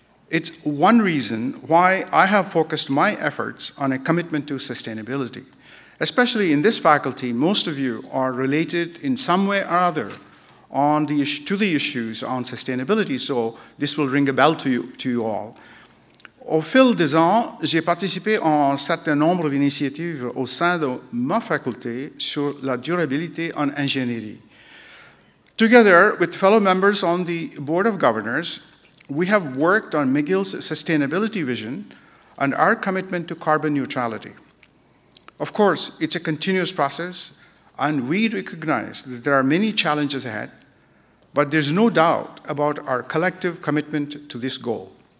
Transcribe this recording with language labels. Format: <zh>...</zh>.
<en>It's one reason why I have focused my efforts on a commitment to sustainability. Especially in this faculty, most of you are related in some way or other to the issues on sustainability, so this will ring a bell to you all.</en> <fr>Au fil des ans, j'ai participé à un certain nombre d'initiatives au sein de ma faculté sur la durabilité en ingénierie.</fr> <en>Together with fellow members on the Board of Governors, we have worked on McGill's sustainability vision and our commitment to carbon neutrality. Of course, it's a continuous process, and we recognize that there are many challenges ahead, but there's no doubt about our collective commitment to this goal.</en>